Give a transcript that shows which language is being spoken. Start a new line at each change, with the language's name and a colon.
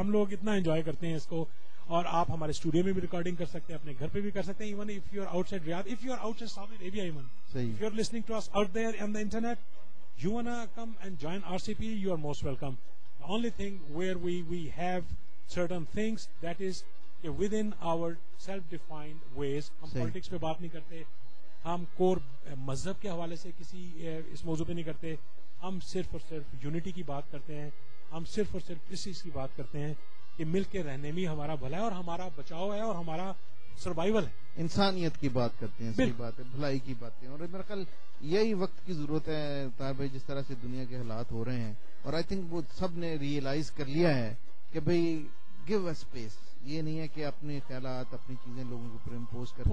Urdu: ہم لوگ اتنا انجوائے کرتے ہیں اس کو, اور آپ ہمارے اسٹوڈیو میں بھی ریکارڈنگ کر سکتے ہیں,
English: اپنے گھر پہ بھی کر سکتے ہیں, even if you are outside Riyadh, if you are outside Saudi Arabia, even if you are listening to us out there on the internet, you wanna come and join R C P, you are most welcome. Only thing where we have certain things, that is within our self-defined ways.
Urdu: ہم politics پہ بات نہیں کرتے, ہم کور مذہب کے حوالے سے کسی اس موضوع پہ نہیں کرتے, ہم صرف اور صرف یونٹی کی بات کرتے ہیں, ہم صرف اور صرف اس چیز کی بات کرتے ہیں کہ مل کے رہنے میں ہمارا بھلا ہے اور ہمارا بچاؤ ہے اور ہمارا سروائیول ہے. انسانیت کی بات کرتے ہیں, صحیح بات ہے, بھلائی کی بات ہے. اور میرے خیال یہی وقت کی ضرورت ہے طاہر بھائی, جس طرح سے دنیا کے حالات ہو رہے ہیں, اور آئی تھنک وہ سب نے ریئلائز کر لیا ہے کہ بھائی
English: give a space,
Urdu: یہ نہیں ہے کہ اپنے خیالات اپنی چیزیں لوگوں کے اوپر امپوز کر,